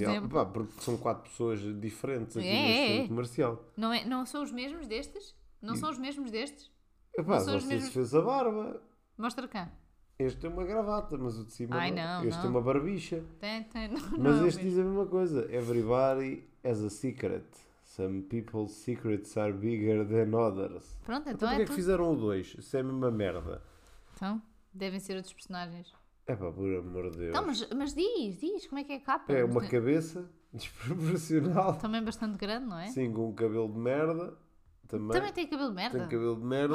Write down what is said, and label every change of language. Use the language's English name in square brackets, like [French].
[Portuguese] Por exemplo, pá, porque são quatro pessoas diferentes aqui neste centro comercial. Não, não são os mesmos destes? Não são os mesmos destes? Pá, não são os mesmos... se fez a barba. Mostra cá. Este tem uma gravata, mas o de cima ai, não. Este tem uma barbicha. Não, mas este diz a mesma coisa. [English] Everybody has a secret. Some people's secrets are bigger than others. [Portuguese] Pronto, então porquê é que fizeram o 2? Isso é a mesma merda. Então, devem ser outros personagens. É pá, por amor de Deus. Então, mas diz, como é que é a capa? É uma cabeça desproporcional. Também bastante grande, não é? Sim, com um cabelo de merda. Também tem cabelo de merda? Tem cabelo de merda.